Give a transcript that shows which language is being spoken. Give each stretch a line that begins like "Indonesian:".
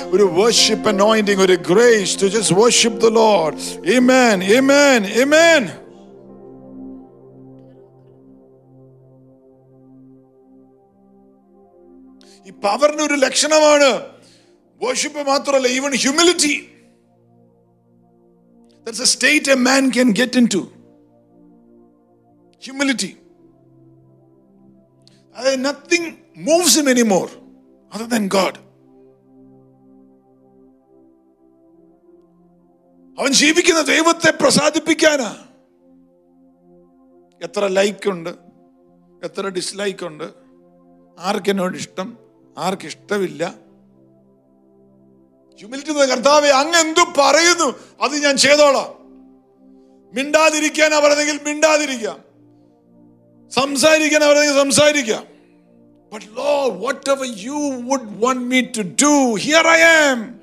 English: ഒരു worship anointing, ഒരു grace to just worship the Lord. Amen, amen, amen.
Malayalam: ഈ പവറിന്റെ ഒരു ലക്ഷണമാണ് വർഷിപ്പ് മാത്രമല്ല,
English: Even humility. That's a state a man can get into. Humility. Nothing moves him anymore other than God.
Malayalam: അവൻ ജീവിക്കുന്ന ദൈവത്തെ പ്രസാദിപ്പിക്കാനാ. എത്ര ലൈക്ക് ഉണ്ട്, എത്ര ഡിസ്ലൈക്ക് ഉണ്ട്, ആർക്കെന്നോട് ഇഷ്ടം, ആർക്കിഷ്ടമില്ല. ഹ്യൂമിലിറ്റി എന്ന് കർത്താവെ അങ്ങ് എന്തു പറയുന്നു അത് ഞാൻ ചെയ്തോളാം. മിണ്ടാതിരിക്കാൻ അവരുണ്ടെങ്കിൽ മിണ്ടാതിരിക്കാം, സംസാരിക്കാൻ അവരുണ്ടെങ്കിൽ സംസാരിക്കാം.
English: But Lord, whatever you would want me to do, here I am.